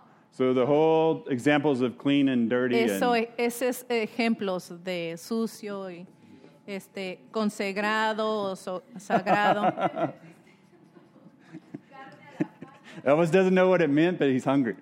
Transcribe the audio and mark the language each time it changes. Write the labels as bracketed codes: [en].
[en] So the whole examples of clean and dirty. [es] Eso, esos ejemplos de sucio y este consagrado o sagrado. [en] Elvis doesn't know what it meant, but he's hungry.